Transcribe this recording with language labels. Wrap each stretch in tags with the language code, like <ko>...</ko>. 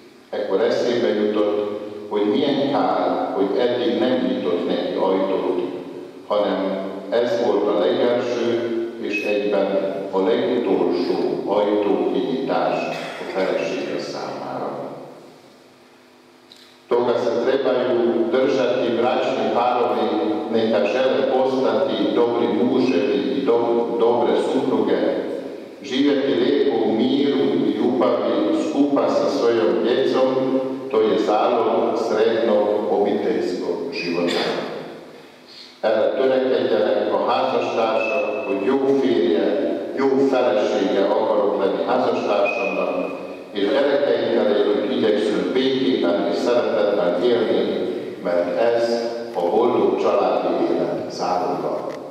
<hu>Ekkor eszébe jutott, hogy milyen kár, hogy eddig nem nyitott neki ajtót, hanem ez volt a legelső és egyben a legutolsó ajtókinyitás a felesége számára.</hu> <hr>Toga se trebaju držati bračni parovi, neka žele postati dobri muževi i dobre supruge, živjeti lijepo u miru i ljubavi skupa sa svojom djecom, to je zalog sretnog obiteljskog života.</hr> <hu>Erre törekedjenek a házastársak, hogy jó férje, jó felesége akarok lenni házastársamnak, és gyerekeinkkel együtt igyekszünk békében és szeretetben élni, mert ez a boldog családi élet záloga.</hu>